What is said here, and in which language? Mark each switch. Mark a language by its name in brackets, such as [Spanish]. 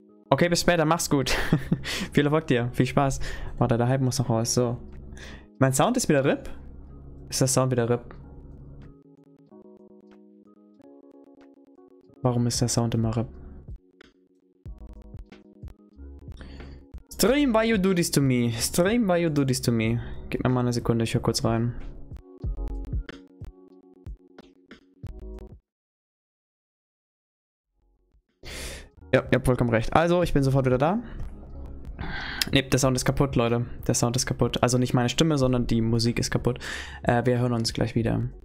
[German] Okay, bis später. Mach's gut. Viel Erfolg dir. Viel Spaß. Warte, der Hype muss noch raus. So. Mein Sound ist wieder RIP? Ist der Sound wieder RIP? Warum ist der Sound immer RIP? [English] Stream, why you do this to me? Stream, why you do this to me? [German] Gib mir mal eine Sekunde, ich höre kurz rein. Ja, ihr habt vollkommen recht. Also, ich bin sofort wieder da. Ne, der Sound ist kaputt, Leute. Der Sound ist kaputt. Also nicht meine Stimme, sondern die Musik ist kaputt. Wir hören uns gleich wieder.